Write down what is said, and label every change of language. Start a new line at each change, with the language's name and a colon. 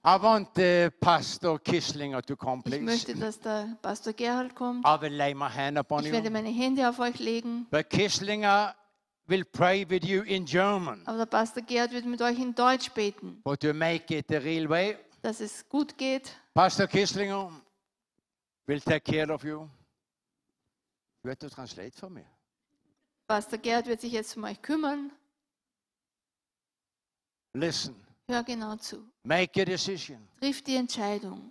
English: I want Pastor Kisslinger to come, please.
German: Ich möchte, dass der Pastor Gerhard kommt.
English: I will lay my hand upon
German: ich
English: you.
German: Werde meine Hände auf euch legen.
English: But Kisslinger will pray with you in German.
German: Aber der Pastor Gerhard wird mit euch in Deutsch beten.
English: But to make it the real way.
German: Dass es gut geht.
English: Pastor Kisslinger will take care of you.
German: Wird du
English: translate for me?
German: Pastor Gerhard wird sich jetzt um euch kümmern.
English: Listen.
German: Hör genau zu.
English: Make a decision.
German: Triff die Entscheidung.